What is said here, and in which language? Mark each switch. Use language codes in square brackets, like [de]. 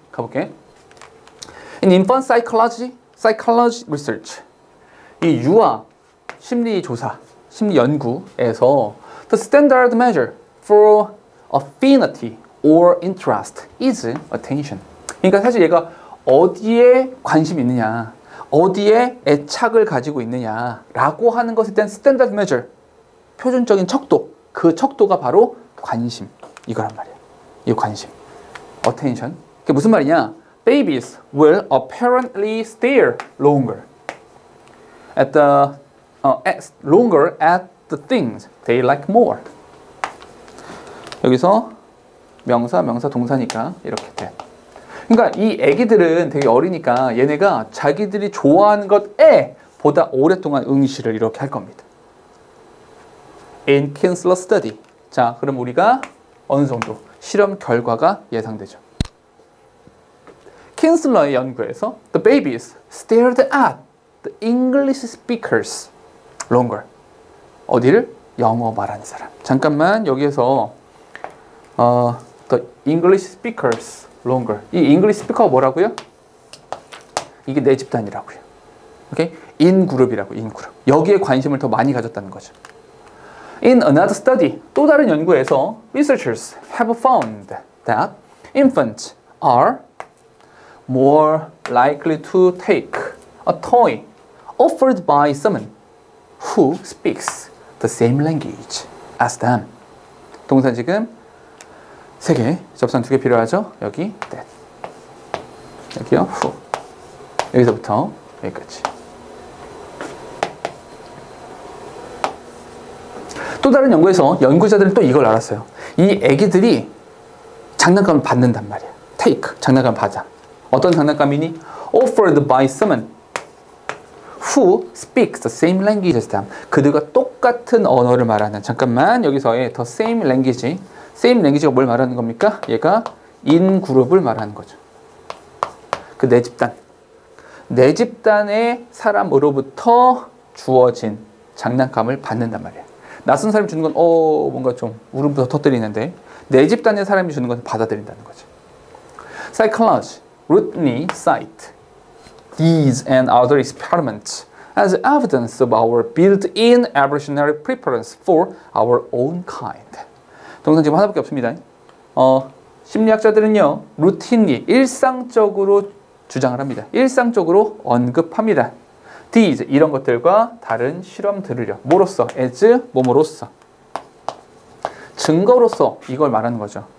[en] 가볼게. In infant psychology research [ko] 이 유아 심리 조사, 심리 연구에서 [en] The standard measure for affinity or interest is attention. [ko] 그러니까 사실 얘가 어디에 관심이 있느냐, 어디에 애착을 가지고 있느냐라고 하는 것에 대한 스탠다드 메저, 표준적인 척도, 그 척도가 바로 관심, 이거란 말이야. 이 관심, attention. 그게 무슨 말이냐? [en] Babies will apparently stare longer at the longer at the things they like more. [ko] 여기서 명사, 명사, 동사니까 이렇게 돼. 그러니까 이 애기들은 되게 어리니까 얘네가 자기들이 좋아하는 것에 보다 오랫동안 응시를 이렇게 할 겁니다. [en] In Kinsler study. [ko] 자, 그럼 우리가 어느 정도 실험 결과가 예상되죠. [en] Kinsler의 연구에서 The babies stared at the English speakers longer. [ko] 어디를? 영어 말하는 사람. 잠깐만 여기에서 [en] The English speakers longer. [ko] 이 English speaker가 뭐라고요? 이게 내 집단이라고요. 오케이? 인그룹이라고, 인그룹. 여기에 관심을 더 많이 가졌다는 거죠. [en] In another study, [ko] 또 다른 연구에서 [en] researchers have found that infants are more likely to take a toy offered by someone who speaks the same language as them. [ko] 동사 지금 세 개, 접선 두 개 필요하죠? 여기 that. 여기요, who. 여기서부터 여기까지. 또 다른 연구에서 연구자들은 또 이걸 알았어요. 이 애기들이 장난감을 받는단 말이야. Take, 장난감 받아. 어떤 장난감이니? [en] Offered by someone who speaks the same language as them. [ko] 그들과 똑같은 언어를 말하는. 잠깐만, 여기서의 the same language. Same language가 뭘 말하는 겁니까? 얘가 in 그룹을 말하는 거죠. 그 내 집단. 내 집단의 사람으로부터 주어진 장난감을 받는단 말이야. 낯선 사람이 주는 건 뭔가 좀 울음부터 터뜨리는데 내 집단의 사람이 주는 건 받아들인다는 거죠. [en] Psychology, Rutney cite these and other experiments as evidence of our built-in evolutionary preference for our own kind. [ko] 동선 지금 하나밖에 없습니다. 심리학자들은요, 루틴이 일상적으로 주장을 합니다. 일상적으로 언급합니다. These, 이런 것들과 다른 실험들을요. 뭐로써? As, 뭐뭐로써? 증거로써 이걸 말하는 거죠.